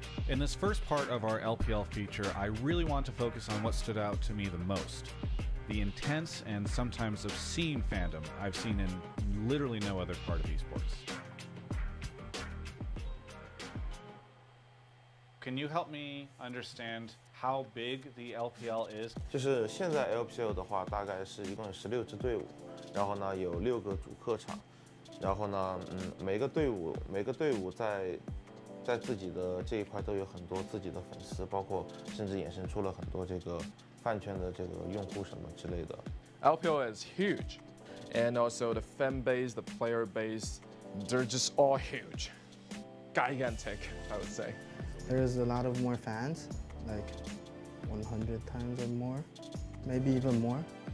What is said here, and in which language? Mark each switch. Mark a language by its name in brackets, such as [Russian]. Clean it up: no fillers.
[English] In this first part of our LPL feature, I really want to focus on what stood out to me the most. The intense and sometimes obscene fandom I've seen in literally no other part of esports. Can you help me understand how big the LPL is? [Chinese] 就是现在 LPL的话，大概是一共16支队伍， 然后呢有6个主客场， 然后呢，每个队伍在自己的这一块都有很多自己的粉丝， 包括甚至衍生出了很多这个饭圈的这个用户什么之类的。 [English] LPL is huge, and also the fan base, the player base, they're just all huge, gigantic, I would say. There is a lot of more fans, like 100 times or more, maybe even more.